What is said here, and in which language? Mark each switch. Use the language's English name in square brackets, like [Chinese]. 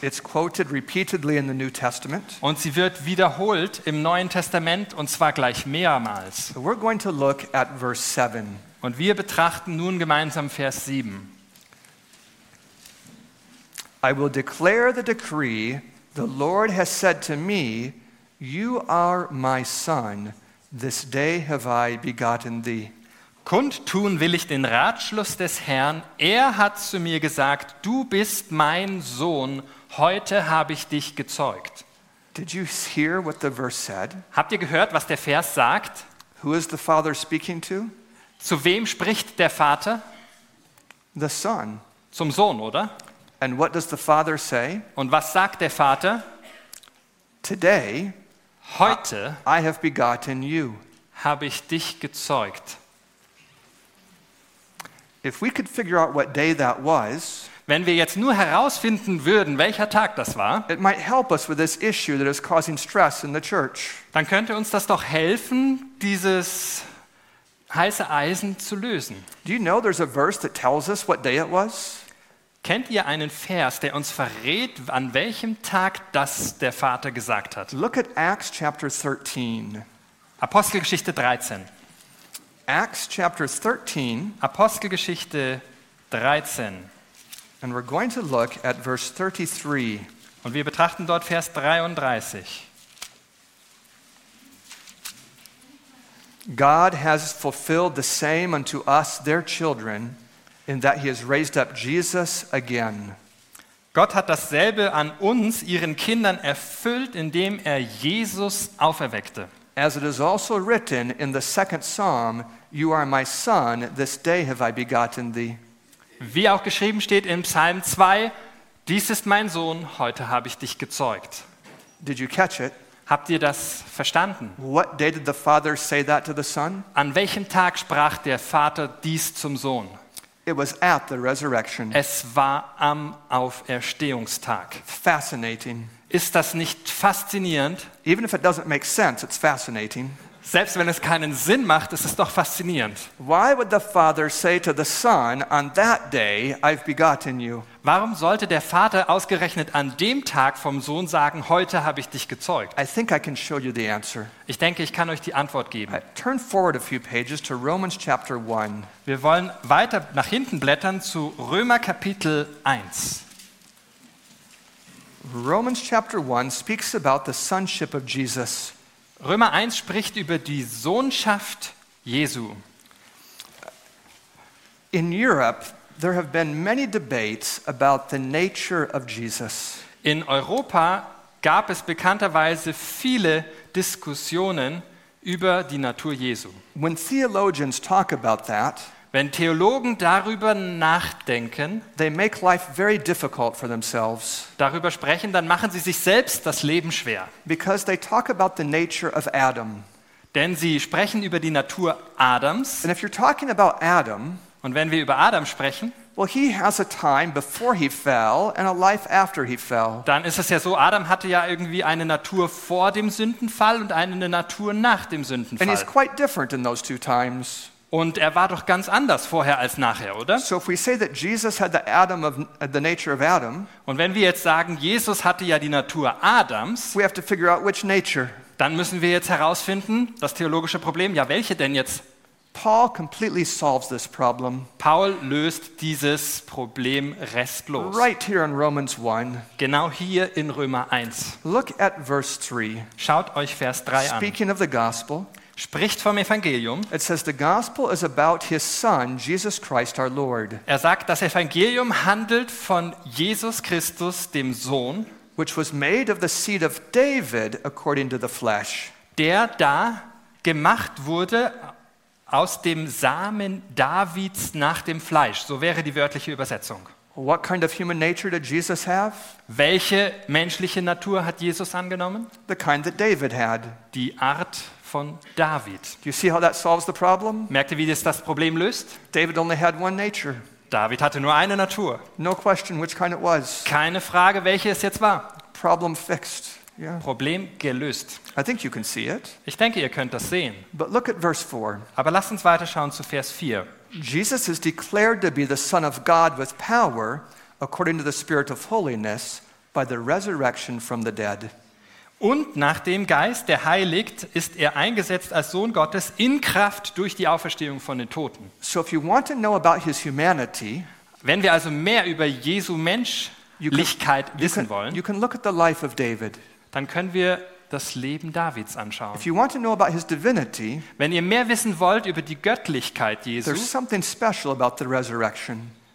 [English] It's quoted repeatedly in the New Testament. [German] Und sie wird wiederholt im Neuen Testament und zwar gleich mehrmals. [English] So we're going to look at verse 7. [German] Und wir betrachten nun gemeinsam Vers 7. [English] I will declare the decree. The Lord has said to me, you are my son. This day have I begotten thee. [German] Kundtun will ich den Ratschluss des Herrn. Er hat zu mir gesagt, du bist mein Sohn. Heute habe ich dich gezeugt. [English] Did you hear what the verse said? [German] Habt ihr gehört, was der Vers sagt? [English] Who is the Father speaking to? [German] Zu wem spricht der Vater? [English] The Son. [German] Zum Sohn, oder? [English] And what does the Father say? [German] Und was sagt der Vater? [English] Today, [German] heute, [English] I have begotten you. [German] Habe ich dich gezeugt. [English] If we could figure out what day that was, [German] wenn wir jetzt nur herausfinden würden, welcher Tag das war, [English] it might help us with this issue that is causing stress in the church. [German] Dann könnte uns das doch helfen, dieses heiße Eisen zu lösen. [English] Do you know there's a verse that tells us what day it was? [German] Kennt ihr einen Vers, der uns verrät, an welchem Tag das der Vater gesagt hat? [English] Look at Acts chapter 13. [German] Apostelgeschichte 13. [English] Acts chapter 13. [German] Apostelgeschichte 13. [English] And we're going to look at verse 33. [German] Und wir betrachten dort Vers 33. [English] God has fulfilled the same unto us their children. In that he has raised up Jesus again. [German] Gott hat dasselbe an uns, ihren Kindern, erfüllt, indem er Jesus auferweckte. [English] As it is also written in the second Psalm, you are my son, this day have I begotten thee. [German] Wie auch geschrieben steht in Psalm 2, dies ist mein Sohn, heute habe ich dich gezeugt. [English] Did you catch it? [German] Habt ihr das verstanden? [English] What day did the father say that to the son? [German] An welchem Tag sprach der Vater dies zum Sohn? [English] It was at the resurrection. [German] Es war am Auferstehungstag. [English] Fascinating. [German] Ist das nicht faszinierend? [English] Even if it doesn't make sense, it's fascinating. [German] Selbst wenn es keinen Sinn macht, ist es doch faszinierend. [English] Why would the father say to the son on that day, I've begotten you? [German] Warum sollte der Vater ausgerechnet an dem Tag vom Sohn sagen, heute habe ich dich gezeugt? [English] I think I can show you the answer. [German] Ich denke, ich kann euch die Antwort geben. [English] Turn forward a few pages to Romans chapter 1. [German] Wir wollen weiter nach hinten blättern zu Römer Kapitel 1. [English] Romans chapter 1 speaks about the sonship of Jesus. [German] Römer 1 spricht über die Sohnschaft Jesu. [English] In Europe there have been many debates about the nature of Jesus. [German] In Europa gab es bekannterweise viele Diskussionen über die Natur Jesu. [English] When theologians talk about that, [German] wenn Theologen darüber nachdenken, [English] they make life very difficult for themselves. [German] Darüber sprechen, dann machen sie sich selbst das Leben schwer. [English] Because they talk about the nature of Adam. [German] Denn sie sprechen über die Natur Adams. [English] And if you're talking about Adam, [German] und wenn wir über Adam sprechen, [English] well, he has a time before he fell and a life after he fell. [German] Dann ist es ja so, Adam hatte ja irgendwie eine Natur vor dem Sündenfall und eine Natur nach dem Sündenfall. [English] And he's quite different in those two times. [German] Und er war doch ganz anders vorher als nachher, oder? [English] So if we say that Jesus had the Adam of the nature of Adam, [German] und wenn wir jetzt sagen, Jesus hatte ja die Natur Adams, [English] we have to figure out which nature. [German] Dann müssen wir jetzt herausfinden, das theologische Problem, ja, welche denn jetzt? [English] Paul completely solves this problem. [German] Paul löst dieses Problem restlos. [English] Right here in Romans 1. [German] Genau hier in Römer 1. [English] Look at verse 3. [German] Schaut euch Vers 3 [English] an. Speaking of the gospel, [German] spricht vom Evangelium. [English] It says the gospel is about his son Jesus Christ our Lord. [German] Er sagt, das Evangelium handelt von Jesus Christus dem Sohn, [English] which was made of the seed of David according to the flesh. [German] Der da gemacht wurde aus dem Samen Davids nach dem Fleisch, so wäre die wörtliche Übersetzung. [English] What kind of human nature did Jesus have? [German] Welche menschliche Natur hat Jesus angenommen? [English] The kind that David had. [German] Die Art von David. [English] Do you see how that solves the problem? [German] Merkt ihr, wie das Problem löst? [English] David only had one nature. [German] David hatte nur eine Natur. [English] No question which kind it was. [German] Keine Frage, welche es jetzt war. [English] Problem fixed. [German] Yeah. Problem gelöst. [English] I think you can see it. [German] Ich denke, ihr könnt das sehen. [English] But look at verse 4. [German] Aber lasst uns weiterschauen zu Vers 4. [English] Jesus is declared to be the Son of God with power according to the Spirit of holiness by the resurrection from the dead. [German] Und nach dem Geist, der heiligt, ist er eingesetzt als Sohn Gottes in Kraft durch die Auferstehung von den Toten. [English] So if you want to know about his humanity, [German] wenn wir also mehr über Jesu Menschlichkeit wissen wollen, [English] you can look at the life of David. [German] Dann können wir das Leben Davids anschauen. [English] If you want to know about his divinity, [German] wenn ihr mehr wissen wollt über die Göttlichkeit Jesu, [English] there's something special about the resurrection.